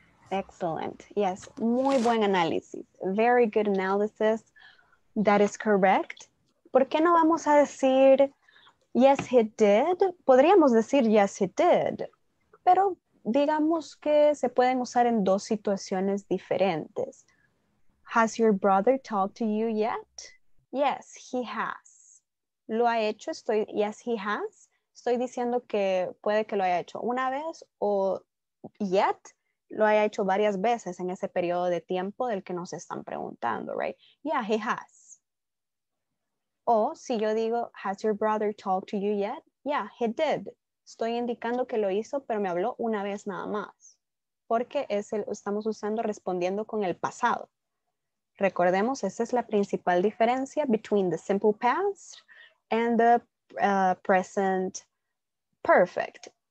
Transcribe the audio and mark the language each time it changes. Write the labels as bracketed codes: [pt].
[en] Excellent. Yes. [es] Muy buen análisis. [en] Very good analysis. That is correct. [es] ¿Por qué no vamos a decir [en] yes, he did? [es] Podríamos decir [en] yes, he did. [es] Pero digamos que se pueden usar en dos situaciones diferentes. [en] Has your brother talked to you yet? Yes, he has. [es] ¿Lo ha hecho? [en] Yes, he has. [es] estoy diciendo que puede que lo haya hecho una vez o yet lo haya hecho varias veces en ese periodo de tiempo del que nos están preguntando, right? [en] Yeah, he has. [es] O si yo digo, [en] has your brother talked to you yet? Yeah, he did. [es] Estoy indicando que lo hizo, pero me habló una vez nada más. Porque es el, estamos usando respondiendo con el pasado. Recordemos, esa es la principal diferencia [en] between the simple past and the present perfect.